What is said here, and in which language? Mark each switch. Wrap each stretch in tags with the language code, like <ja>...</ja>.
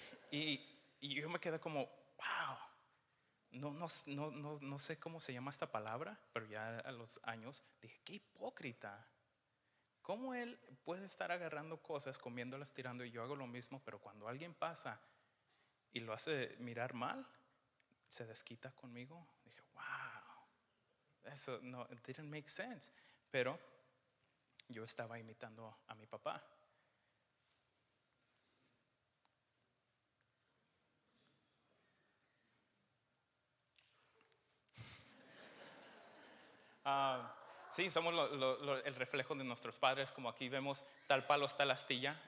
<es>Y yo me quedé como, wow. No sé cómo se llama esta palabra, pero ya a los años dije, qué hipócrita. ¿Cómo él puede estar agarrando cosas, comiéndolas, tirando, y yo hago lo mismo, pero cuando alguien pasa y lo hace mirar mal, se desquita conmigo? Dije, wow, Eso no,</es> <en>it didn't make sense.</en> <es>Pero yo estaba imitando a mi papá. Sí, somos el reflejo de nuestros padres. Como aquí vemos tal palo, tal astilla.</es>